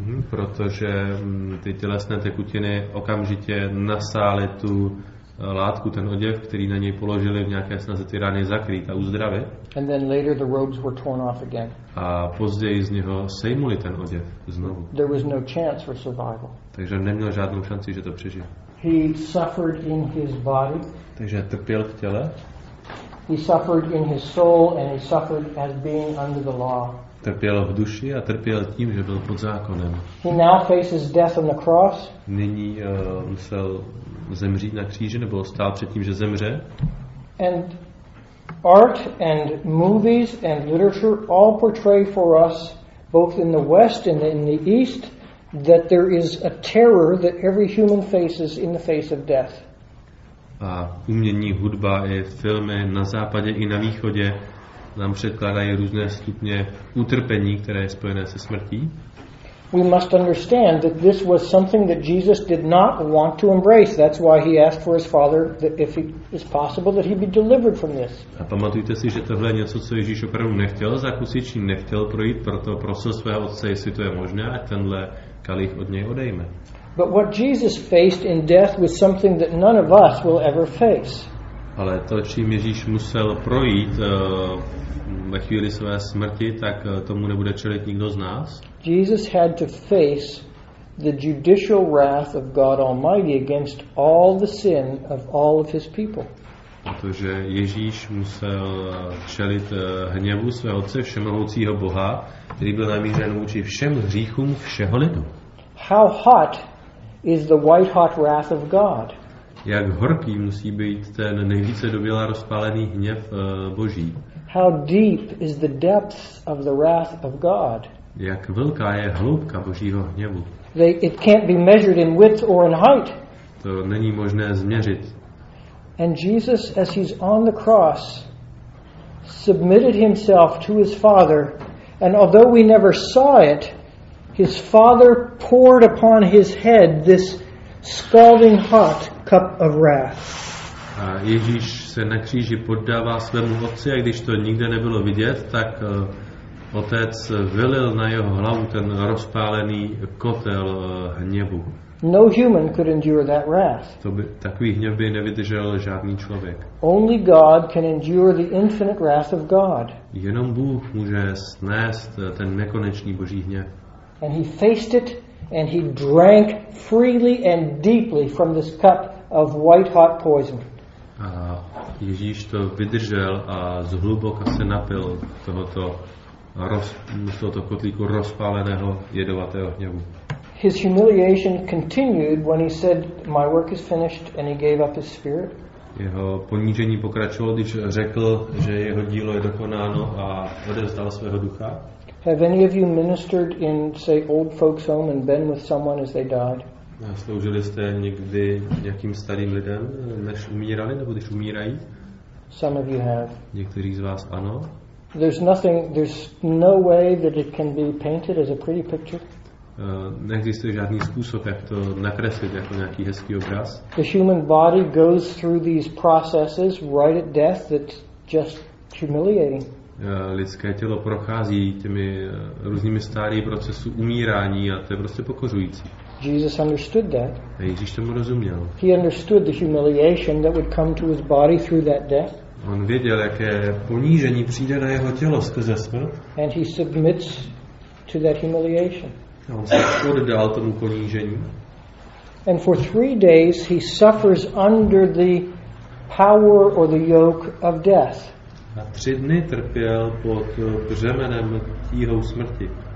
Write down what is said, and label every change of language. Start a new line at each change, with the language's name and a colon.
Czech: Protože ty tělesné tekutiny okamžitě nasály tu látku, ten oděv, který na něj položili v nějaké snaze ty rány zakrýt a uzdravit.
English: And then later the robes were torn off again.
Czech: A později z něho sejmuli ten oděv znovu.
English: There was no chance for survival.
Czech: Takže neměl žádnou šanci, že to přežije.
English: He suffered in his body.
Czech: Takže trpěl v těle.
English: He suffered in his soul and he suffered as being under the law.
Czech: Trpěl v duši a trpěl tím, že byl pod zákonem.
English: He now faces death on the cross.
Czech: Nyní musel zemřít na kříži, nebo stál před tím, že zemře.
English: And art and movies and literature all portray for us, both in the West and in the East, that there is a terror that every human faces in the face of death.
Czech: A umění, hudba i filmy na západě i na východě nám předkládají různé stupně utrpení, které je spojené se smrtí.
English: We must understand that this was something that Jesus did not want to embrace. That's why he asked for his father that if it is possible that he be delivered from this.
Czech: A pamatujte si, že tohle je něco, co Ježíš opravdu nechtěl zakusit, či nechtěl projít, proto prosil svého otce, jestli to je možné, a tenhle kalich od něj odejme.
English: But what Jesus faced in death was something that none of us will ever face.
Czech: Ale to, čím Ježíš musel projít ve chvíli své smrti, tak tomu nebude čelit nikdo z nás.
English: Jesus had to face the judicial wrath of God Almighty against all the sin of all of his people.
Czech: Protože Ježíš musel čelit hněvu svého Otce všemohoucího Boha, který byl namířen vůči všem hříchům všeho lidu.
English: How hot is the white hot wrath of God?
Czech: Jak horký musí být ten nejvíce dobělá rozpálený hněv Boží?
English: How deep is the depth of the wrath of God?
Czech: Jak velká je hloubka Božího hněvu?
English: It can't be measured in width or in height.
Czech: To není možné změřit.
English: And Jesus, as he's on the cross, submitted himself to his Father, and although we never saw it, his Father poured upon his head this scalding hot cup of wrath.
Czech: A Ježíš se na kříži poddává svému Otci, a když to nikde nebylo vidět, tak Otec vylil na jeho hlavu ten rozpálený kotel hněvu.
English: No human could endure that wrath.
Czech: Takový hněv by nevydržel žádný člověk.
English: Only God can endure the infinite wrath of God.
Czech: Jenom Bůh může snést ten nekonečný Boží hněv.
English: And he faced it and he drank freely and deeply from this cup of white hot poison.
Czech: A Ježíš to vydržel a zhluboka se napil tohoto kotlíku rozpáleného jedovatého hněvu.
English: His humiliation continued when he said, "My work is finished," and he gave up his spirit.
Czech: Jeho ponížení pokračovalo, když řekl, že jeho dílo je dokonáno a odevzdal svého ducha.
English: Have any of you ministered in, say, old folks' home and been with someone as they died?
Czech: Sloužili jste někdy nějakým starým lidem, než umírali, nebo když umírají?
English: Some of you have.
Czech: Někteří z vás ano.
English: There's no way that it can be painted as a pretty picture.
Czech: Neexistuje žádný způsob, jak to nakreslit jako nějaký hezký obraz.
English: The human body goes through these processes right at death. That's just humiliating.
Czech: Lidské tělo prochází těmi různými stády procesů umírání a to je prostě pokořující.
English: Jesus understood that.
Czech: A Ježíš tomu rozuměl.
English: He understood the humiliation that would come to his body through that death.
Czech: On věděl, jaké ponížení přijde na jeho tělo skrze smrt.
English: And he submits to that humiliation.
Czech: A on se poddal tomu ponížení.
English: And for 3 days he suffers under the power or the yoke of death.
Czech: A 3 dny trpěl pod břemenem tíhou smrti.